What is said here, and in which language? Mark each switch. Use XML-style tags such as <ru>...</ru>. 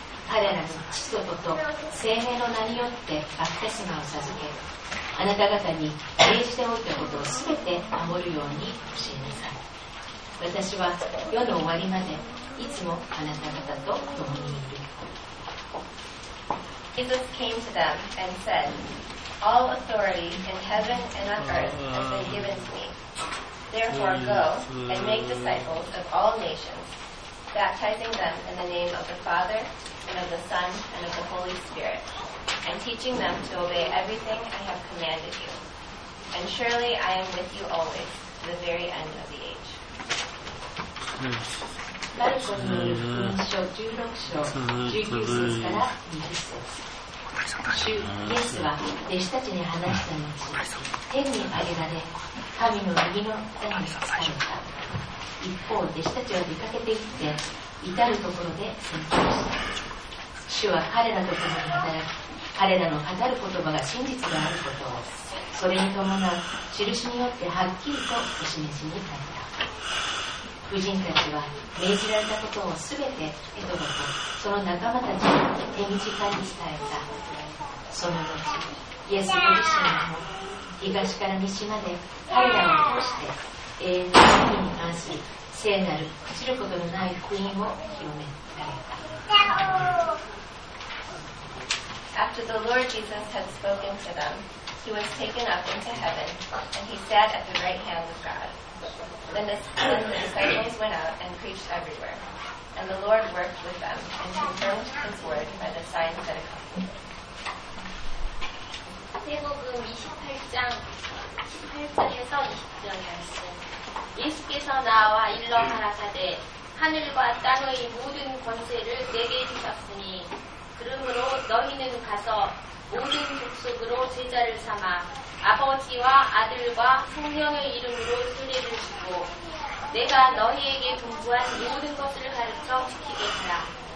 <ja>彼らに父と子と聖霊の名によってバプテスマを授け、あなた方に命じておいたことを全て守るように教えなさい。私は世の終わりまでいつもあなた方と共にいる。</ja> <en>Jesus came to them and said, All authority in heaven and on earth has been given to me. Therefore go and make disciples of all nations, baptizing them in the name of the Father and of the Son and of the Holy Spirit, and teaching them to obey everything I have commanded you. And surely I am with you always to the very end of the age.</en> <ja>マルコによる福音書16章19節から20節。主イエスは弟子たちに話した後、天に上げられ神の右の座に座った。一方弟子たちは出かけて行って至る所で宣教した。主は彼らと共に働き、彼らの語る言葉が真実であることを、それに伴う印によってはっきりとお示しになった。婦人たちは命じられたことをすべてペトロとその仲間たちに手短に伝えた。その後イエスご自身も東から西まで彼らを通して永遠の神に関する聖なる朽ちることのない福音を広められた。</ja> <en>After the Lord Jesus had spoken to them, he was taken up into heaven, and he sat at the right hand of God. Then the disciples went out and preached everywhere, and the Lord worked with them and confirmed his word by the signs that accompanied it.</en> <ko>마태복음 28장 18절에서 20절 말씀. 예수께서 나와 일러 가라사대 하늘과 땅의 모든 권세를 내게 주셨으니 그러므로 너희는 가서 모든 족속으로 제자를 삼아 아버지와 아들과 성령의 이름으로 세례를 주고 내가 너희에게 분부한 모든 것을 가르쳐 지키겠다.</ko>